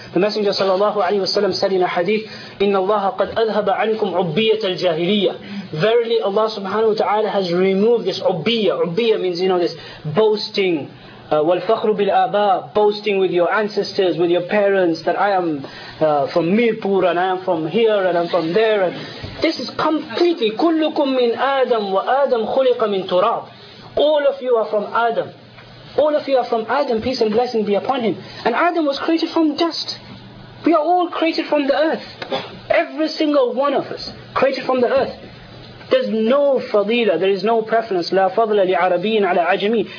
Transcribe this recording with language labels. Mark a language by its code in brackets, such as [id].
[en] The Messenger sallallahu alaihi wasallam said in a hadith, [ar] "Inna Allah qad adhaba ankum ubbiyat al jahiliyyah." [en] Verily, Allah subhanahu wa taala has removed this ubbiyah. Ubbiyah means, you know, this boasting. [ar] وَالْفَخْرُ بِالْآبَىٰ, [en] boasting with your ancestors, with your parents, that I am from Mirpur, and I am from here, and I'm from there. And this is completely, [ar] كُلُّكُم مِّنْ آدَمْ وَآدَمْ خُلِقَ مِّنْ تُرَابٍ. [en] All of you are from Adam. All of you are from Adam, peace and blessing be upon him. And Adam was created from dust. We are all created from the earth. Every single one of us, created from the earth. There's no fadila, there is no preference. [ar] La fadla li arabiyin ala ajami.